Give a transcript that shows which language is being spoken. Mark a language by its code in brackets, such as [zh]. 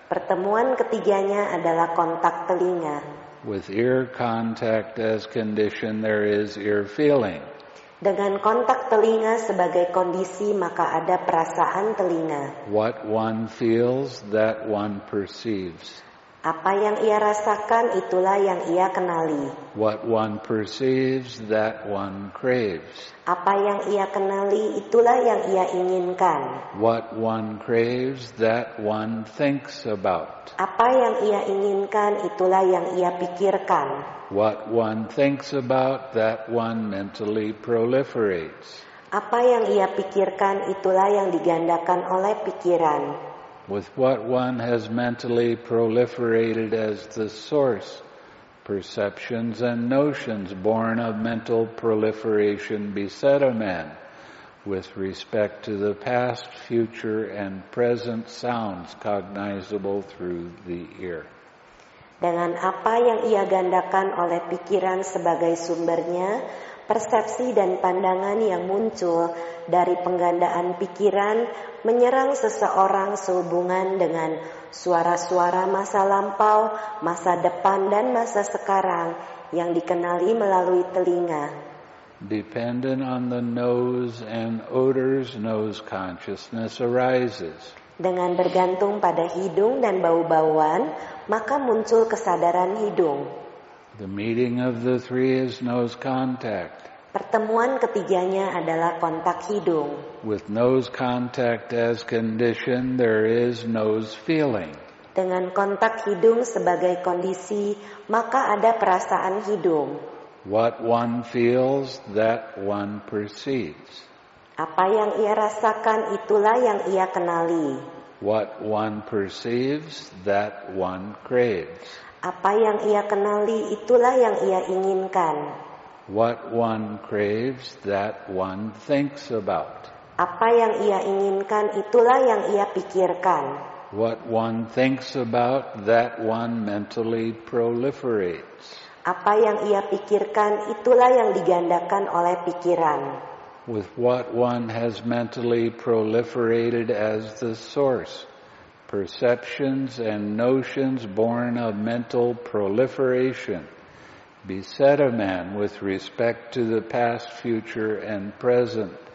[id] Pertemuan ketiganya adalah kontak telinga. [en] With ear contact as condition, there is ear feeling. [id] Dengan kontak telinga sebagai kondisi, maka ada perasaan telinga. [en] What one feels, that one perceives. [id] Apa yang ia rasakan, itulah yang ia kenali. [en] What one perceives, that one craves. [id] Apa yang ia kenali, itulah yang ia inginkan. [en] What one craves, that one thinks about. [id] Apa yang ia inginkan, itulah yang ia pikirkan. [en] What one thinks about, that one mentally proliferates. [id] Apa yang ia pikirkan, itulah yang digandakan oleh pikiran. [en] With what one has mentally proliferated as the source, perceptions and notions born of mental proliferation beset a man with respect to the past, future, and present sounds cognizable through the ear. [id] Dengan apa yang ia gandakan oleh pikiran sebagai sumbernya, persepsi dan pandangan yang muncul dari penggandaan pikiran menyerang seseorang sehubungan dengan suara-suara masa lampau, masa depan, dan masa sekarang yang dikenali melalui telinga. [en] Dependent on the nose and odors, nose consciousness arises. [id] Dengan bergantung pada hidung dan bau-bauan, maka muncul kesadaran hidung. [en] The meeting of the three is nose contact. [id] Pertemuan ketiganya adalah kontak hidung. [en] With nose contact as condition, there is nose feeling. [id] Dengan kontak hidung sebagai kondisi, maka ada perasaan hidung. [en] What one feels, that one perceives. [id] Apa yang ia rasakan, itulah yang ia kenali. [en] What one perceives, that one craves. [id] Apa yang ia kenali, itulah yang ia inginkan. [en] What one craves, that one thinks about. [id] Apa yang ia inginkan, itulah yang ia pikirkan. [en] What one thinks about, that one mentally proliferates. [id] Apa yang ia pikirkan, itulah yang digandakan oleh pikiran. [en] With what one has mentally proliferated as the source, perceptions and notions born of mental proliferation beset a man with respect to the past, future, and present.